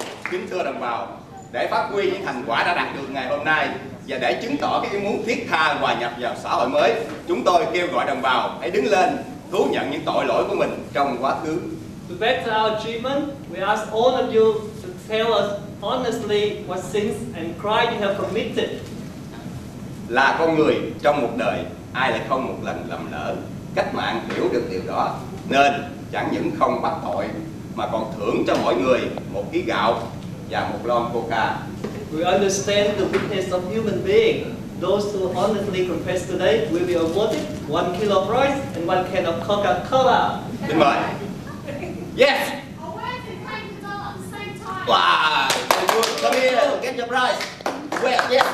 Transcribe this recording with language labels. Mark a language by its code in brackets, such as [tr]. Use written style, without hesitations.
[vi] Kính thưa đồng bào, để phát huy những thành quả đã đạt được ngày hôm nay và để chứng tỏ cái ý muốn thiết tha hòa nhập vào xã hội mới, chúng tôi kêu gọi đồng bào hãy đứng lên thú nhận những tội lỗi của mình trong quá khứ. [en] To better our achievement, we ask all of you to tell us honestly what sins and crimes you have committed. [vi] Là con người trong một đời, ai lại không một lần lầm lỡ? Cách mạng hiểu được điều đó nên chẳng những không bắt tội mà còn thưởng cho mỗi người một ký gạo và một lon coca. [en] We understand the weakness of human being. Those who honestly confess today will be awarded 1 kilo of rice and 1 can of Coca-Cola. [vi] Xin mời. [en] Yes. Awarded 20 dollars at the same time. Wow. Come here. Get your prize. Well, yes.